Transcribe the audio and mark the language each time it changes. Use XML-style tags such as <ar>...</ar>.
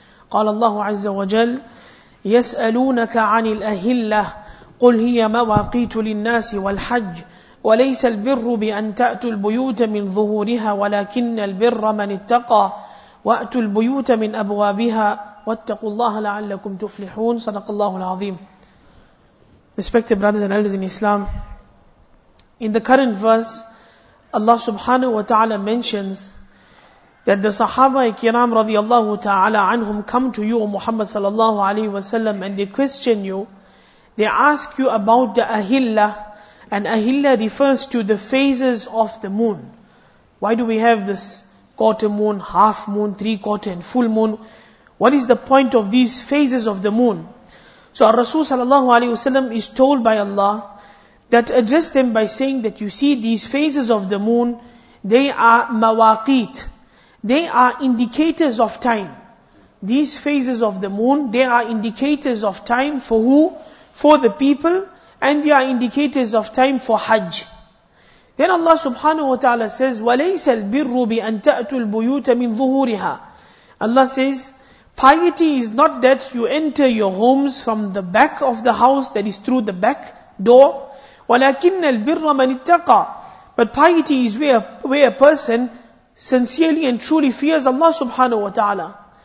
<ar>قال الله عز وجل: يسألونك عن الأهلة قل هي مواقيت للناس والحج وليس البر بأن تأتوا البيوت من ظهورها ولكن البر من اتقى وأتوا البيوت من أبوابها واتقوا الله لعلكم تفلحون. صدق الله العظيم.</ar> <en>Respected brothers and elders in Islam, in the current verse, Allah subhanahu wa ta'ala mentions that the Sahaba ikram radiallahu ta'ala anhum come to you, O Muhammad sallallahu alayhi wa sallam, and they question you. They ask you about the ahillah, and ahillah refers to the phases of the moon. Why do we have this quarter moon, half moon, three quarter and full moon? What is the point of these phases of the moon? So our Rasul sallallahu alayhi wa sallam is told by Allah that address them by saying that you see these phases of the moon, they are mawaqit. They are indicators of time. These phases of the moon, they are indicators of time for who? For the people, and they are indicators of time for Hajj. Then Allah subhanahu wa ta'ala says,</en> <ar>وَلَيْسَ الْبِرُّ بِأَن تَأْتُوا الْبُيُوتَ مِنْ ظُهُورِهَا.</ar> <en>Allah says, piety is not that you enter your homes from the back of the house, that is through the back door.</en> <ar>وَلَكِنَّ الْبِرَّ مَنِ اتَّقَى.</ar> <en>But piety is where a person sincerely and truly fears Allah subhanahu wa ta'ala.</en>